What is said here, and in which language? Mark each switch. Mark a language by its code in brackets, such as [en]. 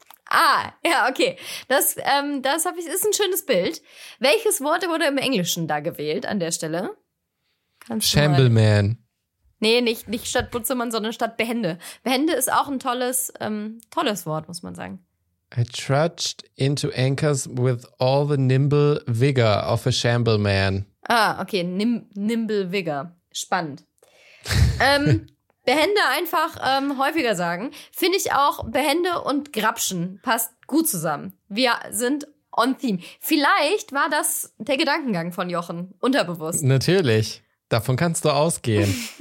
[de] Ah, ja, okay. Das habe ich. Ist ein schönes Bild. Welches Wort wurde im Englischen da gewählt an der Stelle? Shambleman. Nee, nicht statt Butzemann, sondern statt Behende. Behende ist auch ein tolles Wort, muss man sagen. [en] I trudged into anchors with all the nimble vigor of a shambleman. [de] Ah, okay, nimble vigor. Spannend. Behende einfach häufiger sagen. Finde ich auch, Behende und Grapschen passt gut zusammen. Wir sind on theme. Vielleicht war das der Gedankengang von Jochen, unterbewusst. Natürlich, davon kannst du ausgehen.